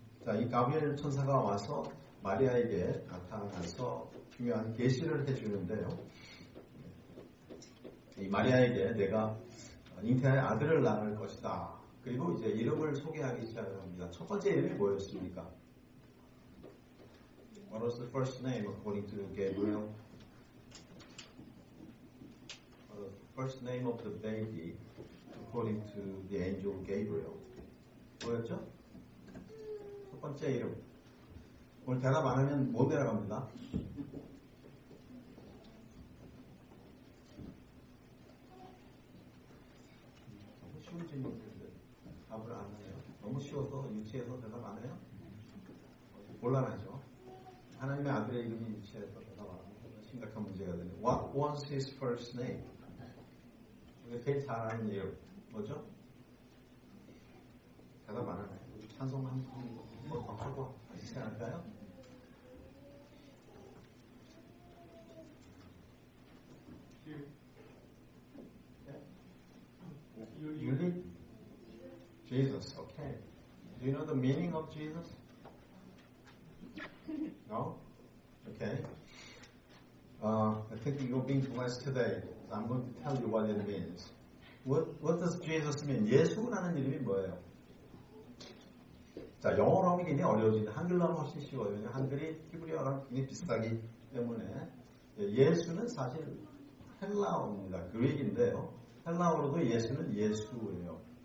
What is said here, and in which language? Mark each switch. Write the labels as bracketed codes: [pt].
[ko] 자, 이 가브리엘 천사가 와서 마리아에게 나타나서 중요한 계시를 해주는데요. 이 마리아에게 내가 잉태할 아들을 낳을 것이다. 그리고 이제 이름을 소개하기 시작합니다. 첫 번째 이름이 뭐였습니까? [en] What was the first name according to Gabriel? The first name of the baby according to the angel Gabriel. [ko] 뭐였죠? 첫 번째 이름. 오늘 대답 안 하면 못 내려갑니다. 너무 쉬운 질문인데 답을 안 해요. 너무 쉬워서 유치해서 대답 안 해요? 곤란하죠. 하나님의 아들의 이름이 유치해서 대답 안 하면 심각한 문제가 되네요. [en] What was his first name? [ko] 우리가 제일 잘 아는 이름. 뭐죠? 대답 안 하네요. 찬송 한 번 더 하고 하시지 않을까요? [en] 유리? Jesus, okay. Do you know the meaning of Jesus? No? Okay. I think you're being blessed today. So I'm going to tell you what it means. What does Jesus mean? [ko] 예수라는 이름이 뭐예요? 자, 영어로 하면 굉장히 어려워지는데 한글로 훨씬 쉬워요. 한글이 히브리어랑 굉장히 비슷하기 때문에 예수는 사실 헬라어입니다. 그릭인데요. 헬라어로도 예수는 예수예요.